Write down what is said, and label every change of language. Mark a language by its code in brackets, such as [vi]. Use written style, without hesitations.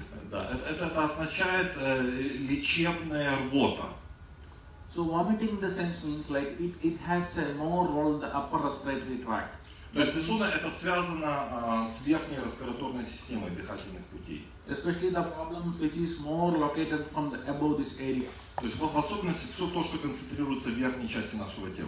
[ru] Да, это означает лечебная рвота. [en] So vomiting in the sense means like it has more role in the upper respiratory tract. [ru] То есть, безусловно, это связано с верхней респираторной системой дыхательных путей. [en] Especially the problems which is more located from the above this area. [ru] То есть, в особенности все то, что концентрируется в верхней части нашего тела.